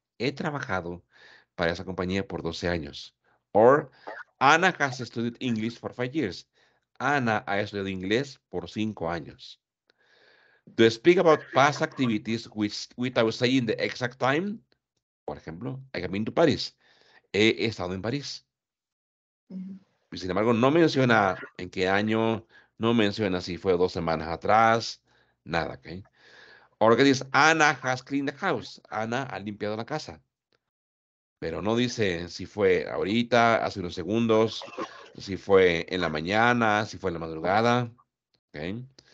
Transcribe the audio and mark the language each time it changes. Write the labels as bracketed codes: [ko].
[es] He trabajado para esa compañía por 12 años. [en] Or, Anna has studied English for 5 years. [es] Anna ha estudiado inglés por 5 años. [en] To speak about past activities without saying the exact time, for example, I have been to Paris. [es] He estado en París. Mm-hmm. Sin embargo, no menciona en qué año, no menciona si fue 2 semanas atrás, nada, okay? [en] Or que dice, Anna has cleaned the house. [es] Anna ha limpiado la casa. Pero no dice si fue ahorita, hace unos segundos, si fue en la mañana, si fue en la madrugada, okay?